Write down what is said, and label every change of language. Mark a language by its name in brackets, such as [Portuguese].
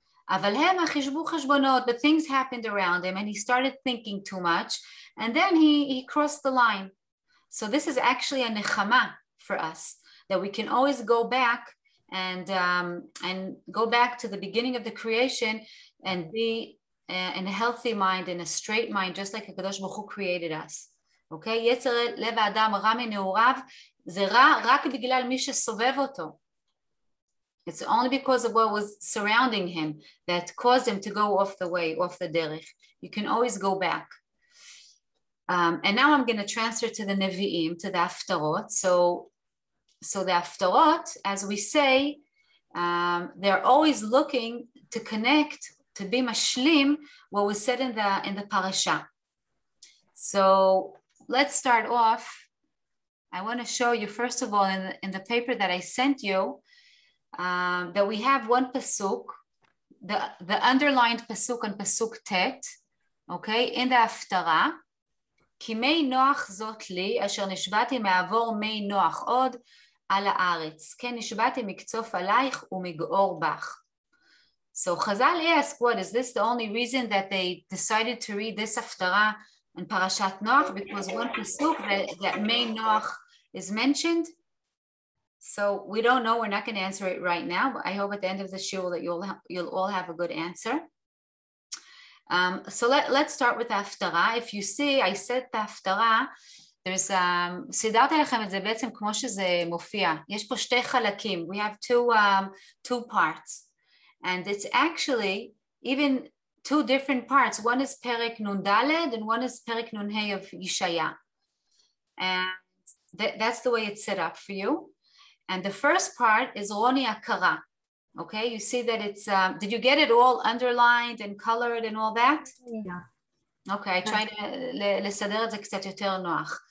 [Hebrew] אבל הם חישבו חשבונות, [English] but things happened around him and he started thinking too much and then he crossed the line. So this is actually a nechama for us, that we can always go back and go back to the beginning of the creation and be in a healthy mind, in a straight mind, just like HaKadosh Baruch Hu created us. Okay? [Hebrew] יצר לב האדם רע מנעוריו, זה רע רק בגלל מי שסובב אותו. [English] It's only because of what was surrounding him that caused him to go off the way, off the derech. You can always go back. And now I'm going to transfer to the Nevi'im, to the Haftarot. So the Haftarot, as we say, they're always looking to connect, to be mashlim, what was said in the parasha. So let's start off. I want to show you, first of all, in the paper that I sent you, that we have one pasuk, the underlined pasuk and pasuk tet, okay, in the haftara, [Hebrew] ki mei noach zot li, asher nishvati me'avor mei noach od, על הארץ, כן, נשבעתי מקצוף עלייך ומגאור בך. [English] So חזל ask, what is this the only reason that they decided to read this הפטרה in פרשת נוח? Because one פסוק that may נוח is mentioned. So we don't know, we're not going to answer it right now, but I hope at the end of the shiur that you'll all have a good answer. So let's start with the haftarah. If you see, I said the haftarah, there's [Hebrew] סידרתי לכם את זה בעצם כמו שזה מופיע. יש פה שתי חלקים. [English] We have two parts. And it's actually even two different parts. One is Perek Nun Daled and one is Perek Nun Hey of Yishaya. And that's the way it's set up for you. And the first part is Roni Akara. Okay, you see that it's, did you get it all underlined and colored and all that? Yeah. Okay, I tried [Hebrew] לסדר את זה קצת יותר נוח.